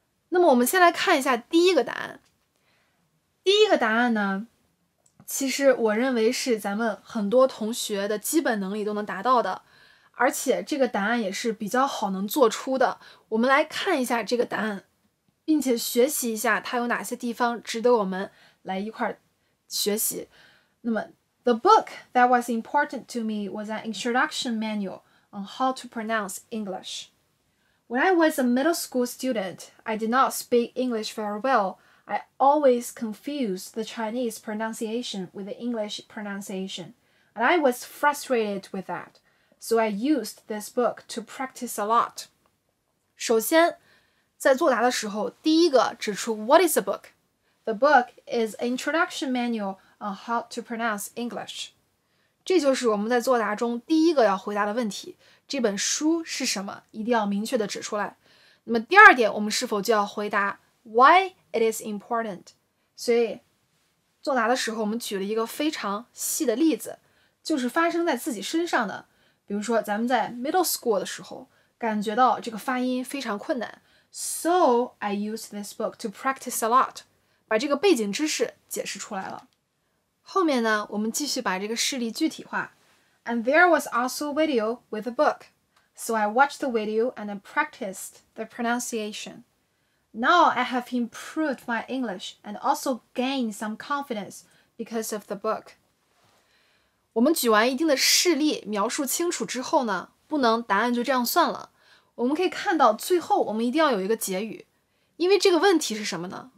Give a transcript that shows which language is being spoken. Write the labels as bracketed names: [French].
[Chinese] 那么我们先来看一下第一个答案。第一个答案呢，其实我认为是咱们很多同学的基本能力都能达到的，而且这个答案也是比较好能做出的。我们来看一下这个答案，并且学习一下它有哪些地方值得我们来一块学习。那么 [English] The book that was important to me was an introduction manual on how to pronounce English. When I was a middle school student, I did not speak English very well. I always confused the Chinese pronunciation with the English pronunciation, and I was frustrated with that. So I used this book to practice a lot. [Chinese] 首先，在作答的时候，第一个指出 [English] What is a book? The book is an introduction manual on how to pronounce English. [Chinese] 这就是我们在作答中第一个要回答的问题。这本书是什么？一定要明确的指出来。那么第二点，我们是否就要回答 [English] Why it is important? [Chinese] 所以，作答的时候，我们举了一个非常细的例子，就是发生在自己身上的。比如说咱们在 middle school 的时候感觉到这个发音非常困难， [English] So I used this book to practice a lot， [Chinese] 把这个背景知识解释出来了。后面呢，我们继续把这个事例具体化。 [English] And there was also a video with a book， So I watched the video and I practiced the pronunciation. Now I have improved my English and also gained some confidence because of the book。 [Chinese] 我们举完一定的事例描述清楚之后呢，不能答案就这样算了。我们可以看到最后我们一定要有一个结语，因为这个问题是什么呢？